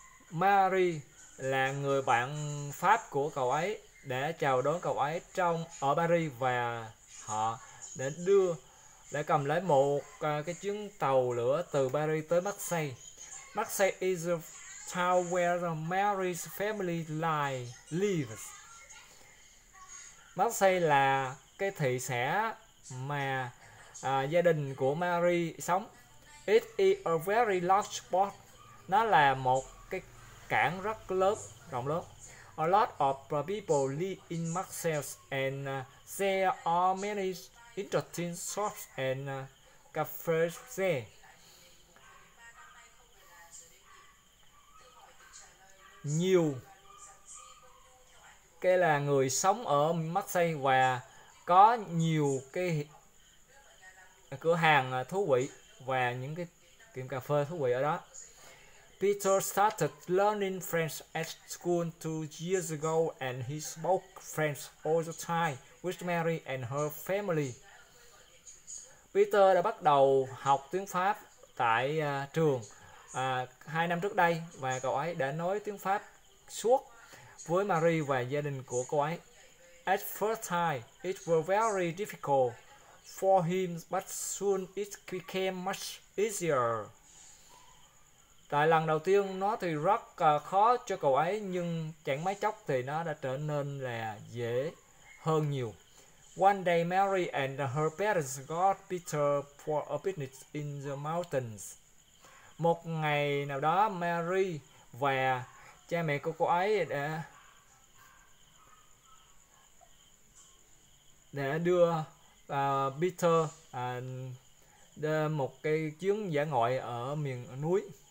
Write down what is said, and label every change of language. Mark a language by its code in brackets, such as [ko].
[vi] Mary là người bạn Pháp của cậu ấy đã chào đón cậu ấy trong ở Paris và họ đã đưa để cầm lấy một cái chuyến tàu lửa từ Paris tới Marseille. [en] Marseille is the town where Mary's family lives. [vi] Marseille là cái thị xã mà gia đình của Mary sống. [en] It is a very large port. [vi] Nó là một cái cảng rất lớn, rộng lớn. [en] A lot of people live in Marseille and there are many interesting shops and cafes there. [vi] Nhiều cái là người sống ở Marseille và có nhiều cái cửa hàng thú vị và những cái tiệm cà phê thú vị ở đó. [en] Peter started learning French at school 2 years ago and he spoke French all the time with Mary and her family. [vi] Peter đã bắt đầu học tiếng Pháp tại trường 2 năm trước đây và cậu ấy đã nói tiếng Pháp suốt với Marie và gia đình của cô ấy. [en] At first time, it was very difficult for him, but soon it became much easier. [vi] Tại lần đầu tiên, nó thì rất khó cho cậu ấy, nhưng chẳng mấy chốc thì nó đã trở nên là dễ hơn nhiều. [en] One day, Mary and her parents got Peter for a picnic in the mountains. [vi] Một ngày nào đó, Mary và cha mẹ của cô ấy đã đưa Peter đưa một cái chuyến dã ngoại ở miền núi.